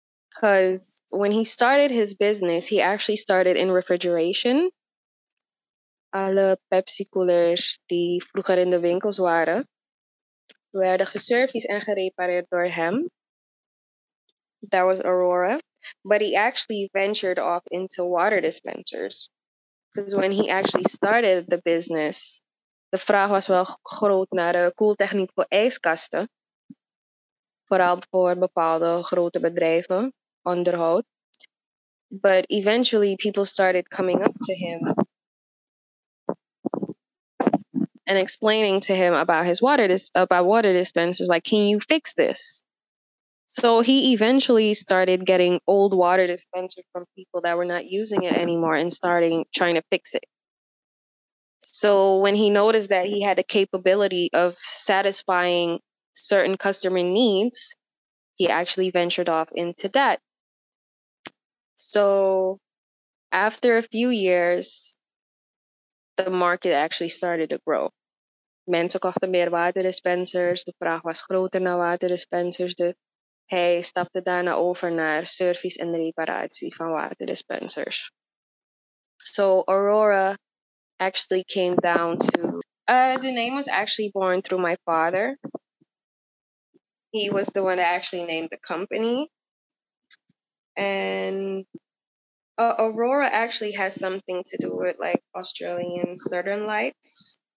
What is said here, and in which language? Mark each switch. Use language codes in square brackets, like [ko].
[en] Because when he started his business, he actually started in refrigeration. [nl] Alle Pepsi coolers die vroeger in de winkels waren, werden geserviced en gerepareerd door hem. [en] That was Aurora. But he actually ventured off into water dispensers. Because when he actually started the business, [nl] de vraag was wel groot naar de koeltechniek voor ijskasten. Vooral voor bepaalde grote bedrijven, onderhoud. [en] But eventually people started coming up to him and explaining to him about water dispensers, like, can you fix this? So he eventually started getting old water dispensers from people that were not using it anymore and starting trying to fix it. So when he noticed that he had the capability of satisfying certain customer needs, he actually ventured off into that. So after a few years, the market actually started to grow. [nl] mensen kochten meer waterdispensers. De vraag was groter naar waterdispensers. Dus hij stapte daarna over naar service en reparatie van waterdispensers. [en] So Aurora actually came down to... the name was actually born through my father. He was the one that actually named the company. And Aurora actually has something to do with like Australian Southern Lights.